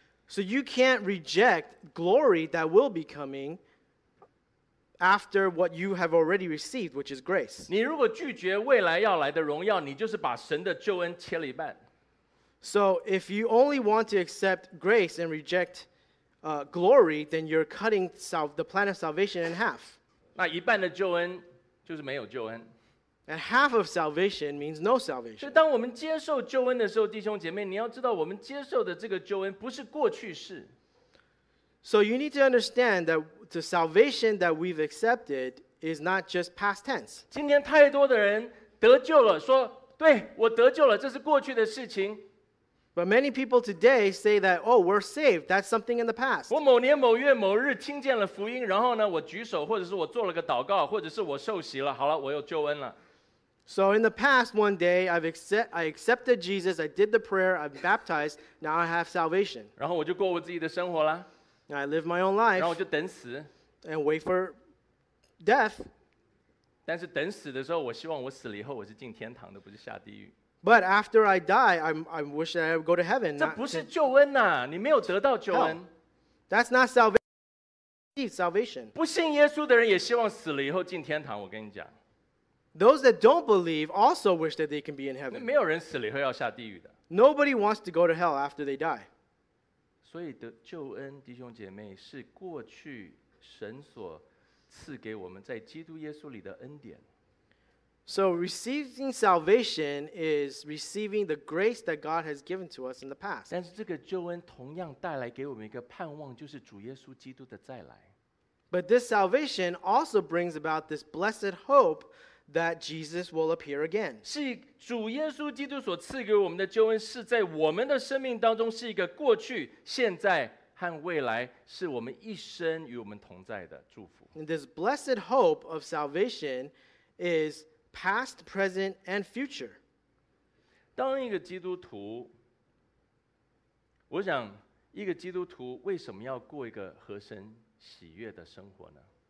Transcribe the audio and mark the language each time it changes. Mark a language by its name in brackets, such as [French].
[English] So you can't reject glory that will be coming after what you have already received, which is grace. [Chinese] 你如果拒绝未来要来的荣耀，你就是把神的救恩切了一半。 [English] So if you only want to accept grace and reject glory, then you're cutting the plan of salvation in half. [Chinese] 那一半的救恩就是没有救恩。 [English] And half of salvation means no salvation. [Chinese] 所以当我们接受救恩的时候，弟兄姐妹，你要知道我们接受的这个救恩不是过去式。 [English] So you need to understand that the salvation that we've accepted is not just past tense. [Chinese] 今天太多的人得救了，说对，我得救了，这是过去的事情。 [English] But many people today say that, oh, we're saved. That's something in the past. [Chinese] 我某年某月某日听见了福音，然后呢，我举手，或者是我做了个祷告，或者是我受洗了，好了，我有救恩了。 [English] So in the past, one day, I accepted Jesus. I did the prayer. I'm baptized. Now I have salvation. [Chinese] 然后我就过我自己的生活了。 [English] I live my own life. [Chinese] 然后我就等死。 [English] And wait for death. [Chinese] 但是等死的时候，我希望我死了以后，我是进天堂的，不是下地狱。 [English] But after I die, I wish that I would go to heaven. [Chinese] 这不是救恩啊，你没有得到救恩。 [English] That's not salvation. [Chinese] 不信耶稣的人也希望死了以后进天堂，我跟你讲。 [English] Those that don't believe also wish that they can be in heaven. [Chinese] 没有人死了以后要下地狱的。 [English] Nobody wants to go to hell after they die. [Chinese] 所以的救恩，弟兄姐妹，是过去神所赐给我们在基督耶稣里的恩典。 [English] So receiving salvation is receiving the grace that God has given to us in the past. [Chinese] 但是这个救恩同样带来给我们一个盼望，就是主耶稣基督的再来。 [English] But this salvation also brings about this blessed hope that Jesus will appear again. [Chinese] 是主耶稣基督所赐给我们的救恩，是在我们的生命当中是一个过去、现在和未来，是我们一生与我们同在的祝福。 [English] And this blessed hope of salvation is past, present, and future. [Chinese] 当一个基督徒，我想一个基督徒为什么要过一个合神喜悦的生活呢？